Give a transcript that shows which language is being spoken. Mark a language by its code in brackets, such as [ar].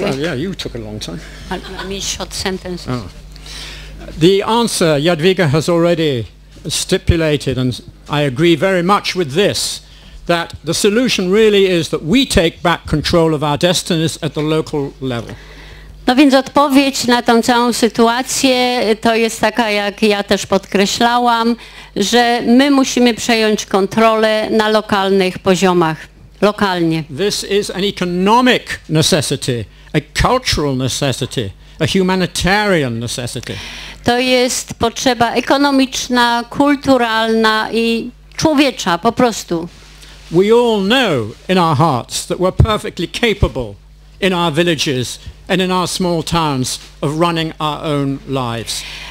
[en] Well, yeah, you took a long time. I mean short sentences. Oh. The answer Jadwiga has already stipulated, and I agree very much with this, that the solution really is that we take back control of our destinies at the local level. [pl] No więc odpowiedź na tą całą sytuację to jest taka, jak ja też podkreślałam, że my musimy przejąć kontrolę na lokalnych poziomach, lokalnie. [en] This is an economic necessity, a cultural necessity, a humanitarian necessity. [pl] To jest potrzeba ekonomiczna, kulturalna i człowiecza po prostu. [en] We all know in our hearts that we're perfectly capable in our villages and in our small towns of running our own lives.